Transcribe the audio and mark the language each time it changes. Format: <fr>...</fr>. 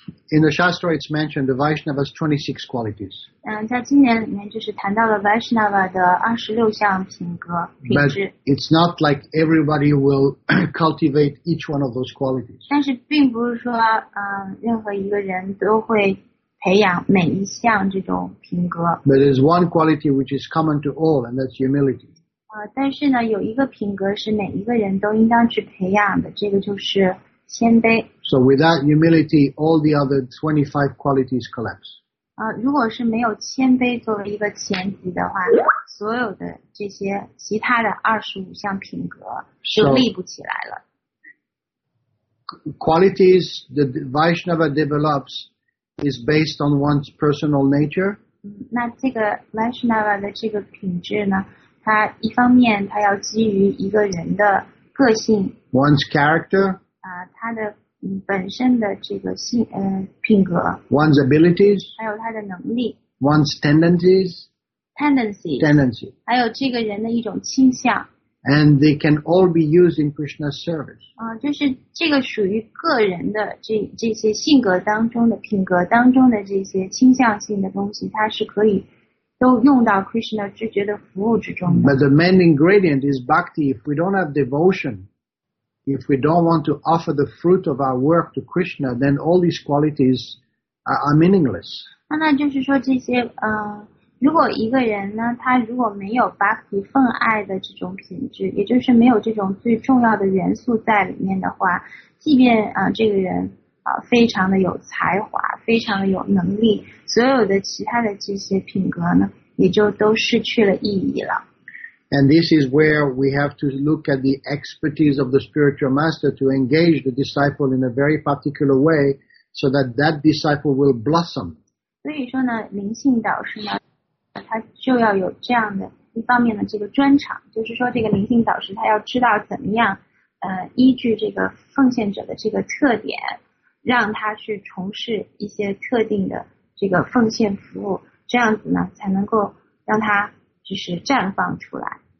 <en>In the Shastra, it's mentioned the Vaishnava's 26 qualities. But it's not like everybody will cultivate each one of those qualities.</en> <zh>但是并不是说, 任何一个人都会, 培养每一项这种品格。</zh> <en>But there is one quality which is common to all, and that's humility.</en> <zh>但是呢，有一个品格是每一个人都应当去培养的，这个就是谦卑。</zh> <en>So without humility, all the other 25 qualities collapse.</en> <zh>如果是没有谦卑作为一个前提的话，所有的这些其他的25项品格就立不起来了。</zh> <en>Qualities that Vaishnava develops is based on one's personal nature.</en> <zh>那这个 Vaishnava 的这个品质呢，它一方面它要基于一个人的个性。</zh> <en>One's character.</en> <zh>它的本身的这个性品格。</zh> <en>One's abilities.</en> <zh>还有它的能力。</zh> <en>One's tendencies. Tendency.</en> <zh>还有这个人的一种倾向。</zh> <en>And they can all be used in Krishna's service.</en> <zh>就是这个属于个人的 这些性格当中的品格当中的这些倾向性的东西，它是可以都用到 Krishna 直觉的服务之中的。</zh> <en>But the main ingredient is bhakti. If we don't have devotion, if we don't want to offer the fruit of our work to Krishna, then all these qualities are meaningless.</en> <zh>那就是说这些如果一个人呢，他如果没有 bhakti 奉爱的这种品质，也就是没有这种最重要的元素在里面的话，即便这个人非常的有才华，非常的有能力，所有的其他的这些品格呢，也就都失去了意义了。</zh> <en>And this is where we have to look at the expertise of the spiritual master to engage the disciple in a very particular way, so that that disciple will blossom.</en> <zh>所以说呢，灵性导师呢。他就要有这样的一方面的这个专长，就是说这个灵性导师他要知道怎么样依据这个奉献者的这个特点，让他去从事一些特定的这个奉献服务，这样子呢才能够让他就是绽放出来。</zh>